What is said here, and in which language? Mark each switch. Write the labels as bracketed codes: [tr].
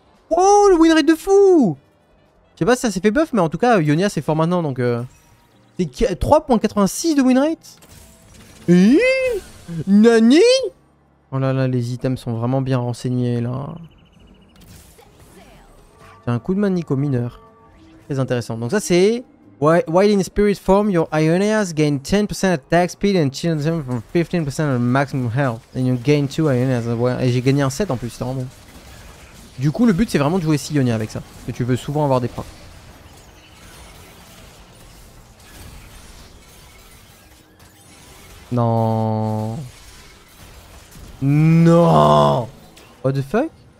[fr] Oh, le winrate de fou! Je sais pas si ça s'est fait buff, mais en tout cas, Yonia c'est fort maintenant, donc... C'est 3.86 de winrate. Nani. Oh là là, les items sont vraiment bien renseignés, là. C'est un coup de manico mineur. Très intéressant. Donc ça, c'est... [en] While in spirit form, your Ionias gain 10% attack speed and chill them from 15% of maximum health. And you gain 2 Ionias. [fr] Et j'ai gagné un 7 en plus, c'est vraiment bon. Du coup, le but, c'est vraiment de jouer Sionia avec ça. Parce que tu veux souvent avoir des procs. Non. Non. [en] What the fuck?